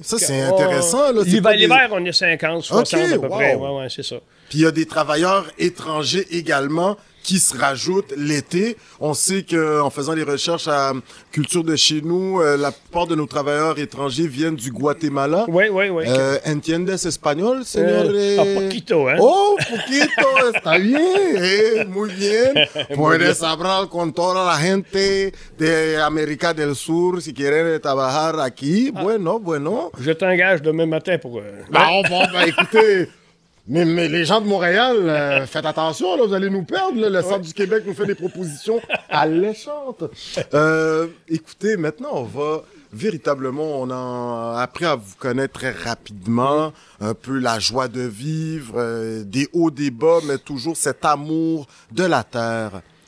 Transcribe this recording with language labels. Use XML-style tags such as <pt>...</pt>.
<fr>Ça, c'est intéressant. L'hiver, on est 50, 60 à peu près. Ouais, c'est ça. Puis il y a des travailleurs étrangers également qui se rajoutent l'été. On sait qu'en faisant les recherches à Culture de chez nous, la plupart de nos travailleurs étrangers viennent du Guatemala. Oui.</fr> <es>¿Entiendes español, señor? Poquito, hein? Oh, poquito, está bien. Muy bien. Puedes hablar con toda la gente de América del Sur si quieren trabajar aquí. Bueno.</es> <fr>Je t'engage demain matin pour... écoutez... Mais les gens de Montréal, faites attention, là, vous allez nous perdre. Là, le Centre du Québec nous fait des propositions alléchantes. Écoutez, maintenant, on a appris à vous connaître très rapidement, un peu la joie de vivre, des hauts, des bas, mais toujours cet amour de la terre.</fr>